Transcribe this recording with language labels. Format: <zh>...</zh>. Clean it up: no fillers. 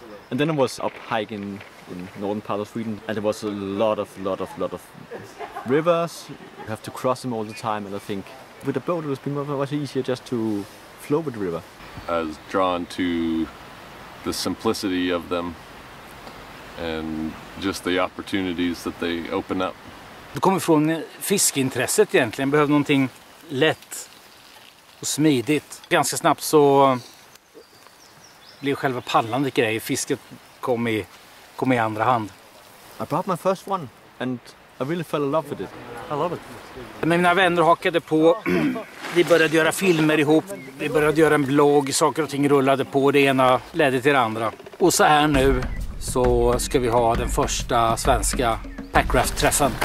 <en>And then I was up hiking in the northern part of Sweden, and there was a lot of rivers. You have to cross them all the time, and I think with a boat it was much easier just to flow with the river. I was drawn to the simplicity of them and just the opportunities that they open up.</en> <sv>Du kommer från fiskeintresset egentligen, behövde någonting lätt och smidigt. Ganska snabbt så blev själva paddlandet grej, fisket kom i andra hand.</sv> <en>I brought my first one and I really fell in love with it. I love it.</en> <sv>Men mina vänner hakade på, vi började göra filmer ihop, vi började göra en blogg, saker och ting rullade på, det ena ledde till det andra. Och så här nu så ska vi ha den första svenska packraft-träffen.</sv>